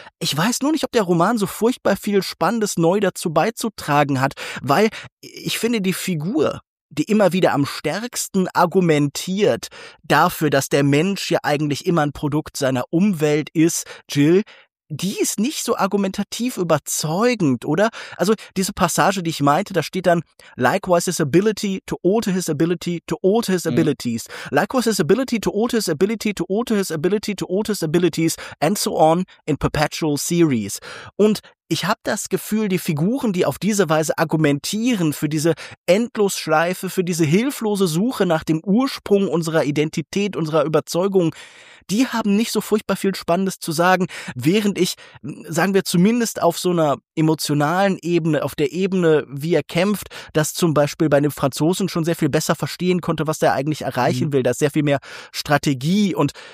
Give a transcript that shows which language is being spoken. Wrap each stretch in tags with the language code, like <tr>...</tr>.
<de>Ich weiß nur nicht, ob der Roman so furchtbar viel Spannendes neu dazu beizutragen hat, weil ich finde die Figur, die immer wieder am stärksten argumentiert dafür, dass der Mensch ja eigentlich immer ein Produkt seiner Umwelt ist, Jill, die ist nicht so argumentativ überzeugend, oder? Also diese Passage, die ich meinte, da steht dann</de> <en>likewise his ability to alter his ability to alter his abilities. Likewise his ability to alter his ability to alter his ability to alter his abilities and so on in perpetual series.</en> <de>Und ich habe das Gefühl, die Figuren, die auf diese Weise argumentieren für diese Endlosschleife, für diese hilflose Suche nach dem Ursprung unserer Identität, unserer Überzeugung, die haben nicht so furchtbar viel Spannendes zu sagen, während ich, sagen wir zumindest auf so einer emotionalen Ebene, auf der Ebene, wie er kämpft, das zum Beispiel bei einem Franzosen schon sehr viel besser verstehen konnte, was der eigentlich erreichen will, da ist sehr viel mehr Strategie und</de>